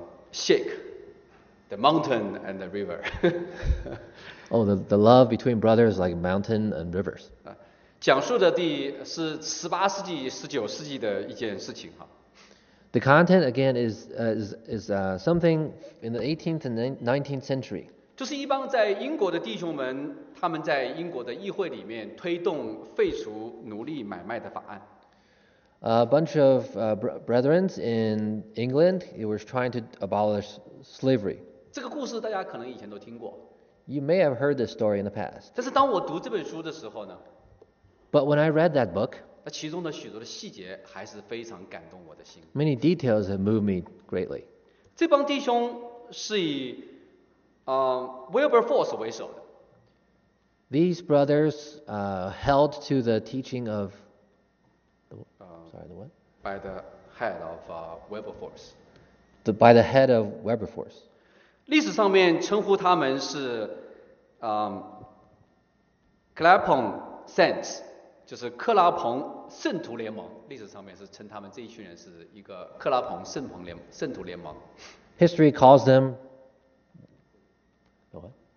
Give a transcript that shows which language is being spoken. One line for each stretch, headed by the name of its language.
English: Shake the mountain and the river. Oh, the love between brothers like mountain and rivers.
Chinese: 讲述的是18世纪、19世纪的一件事情哈。
English: The content again is something in the 18th and 19th century.
Chinese: 就是一帮在英国的弟兄们，他们在英国的议会里面推动废除奴隶买卖的法案。
English: A bunch of brethren in England, they were trying to abolish slavery.
Chinese: 这个故事大家可能以前都听过。
English: You may have heard this story in the past.
Chinese: 但是当我读这本书的时候呢
English: ？But when I read that book.
Chinese: 那其中的许多的细节还是非常感动我的心。
English: Many details have moved me greatly.
Chinese: 这帮弟兄是以Wilberforce 为首的。
English: These brothers held to the teaching of by the head of Wilberforce. By the head of Wilberforce.
Chinese: 历史上面称呼他们是Clapham Saints。就是克拉彭圣徒联盟，历史上面是称他们这一群人是一个克拉彭圣徒联盟。
English: History calls them what?